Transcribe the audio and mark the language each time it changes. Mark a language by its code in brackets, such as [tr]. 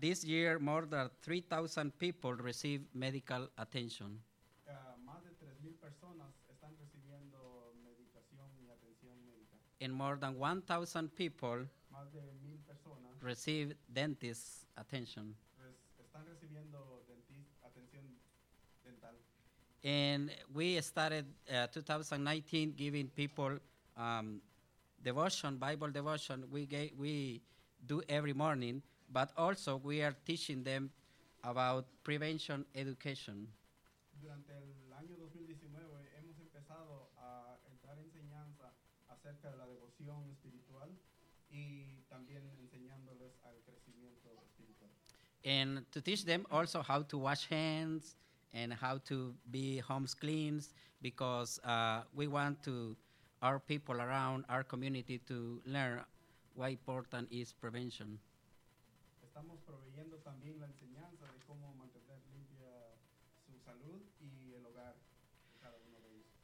[en] this year more than 3,000 people receive medical attention. [es] Más de 3,000 personas están recibiendo medicación y atención médica. [en] And more than 1,000 people [es] más de 1,000 personas [en] receive dentist attention. [es] Están recibiendo dentista atención dental. [en] And we started 2019 giving people devotion, Bible devotion. We do every morning, but also we are teaching them about prevention education. [es] Durante el año 2019 hemos empezado a dar enseñanza acerca de la devoción espiritual y también enseñándoles al crecimiento espiritual. [en] And to teach them also how to wash hands and how to be homes clean, because we want to our people around our community to learn why important is prevention. [es] Estamos proveyendo también la enseñanza de cómo mantener limpia su salud y el hogar cada uno de ellos.